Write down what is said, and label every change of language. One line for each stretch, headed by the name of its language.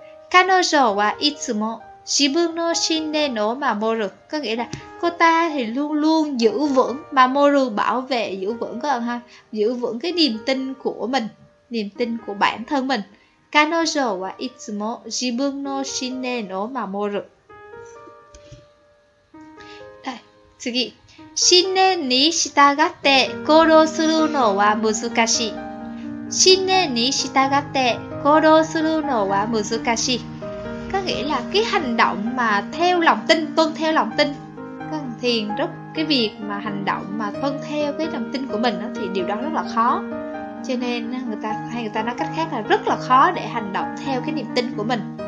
Japanese: 彼女はいつも自分の信念を守る。
Vietnamese: có nghĩa là cô ta thì luôn luôn giữ vững,守る bảo vệ, giữ vững các bạn ha, giữ vững cái niềm tin của mình, niềm tin của bản thân mình.
Japanese: 彼女はいつも自分の信念を守る。次、信念に従って行動するのは難しい。信念に従って行動するのは難しい。
Vietnamese: có nghĩa là cái hành động mà theo lòng tin, tuân theo lòng tin. Thì rất cái việc mà hành động mà tuân theo cái lòng tin của mình đó, thì điều đó rất là khó. Cho nên người ta hay người ta nói cách khác là rất là khó để hành động theo cái niềm tin của mình.